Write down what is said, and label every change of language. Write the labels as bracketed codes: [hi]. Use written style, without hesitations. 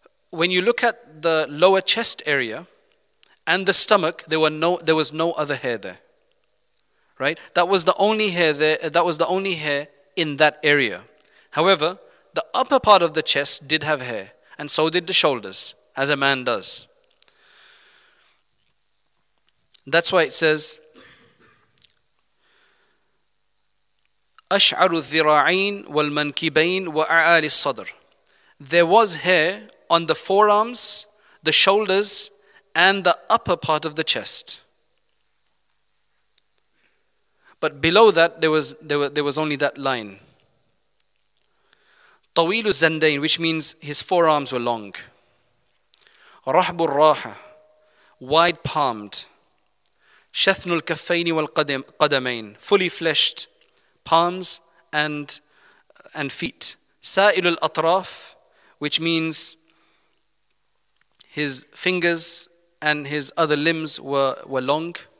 [en] When you look at the lower chest area and the stomach, there was no other hair there. right? That was the only hair in that area. However, the upper part of the chest did have hair, and so did the shoulders, as a man does. That's why it says, [ar] أشعر الذراعين والمنكبين وأعالي الصدر. [en] There was hair on the forearms, the shoulders, and the upper part of the chest. But below that, there was only that line. [ar] طويل الزندين, [en] which means his forearms were long. [ar] رحب الراحة, [en] wide-palmed. [ar] شثن الكفين والقدمين, [en] fully fleshed palms and feet. [ar] سائل الأطراف, [en] which means his fingers and his other limbs were long.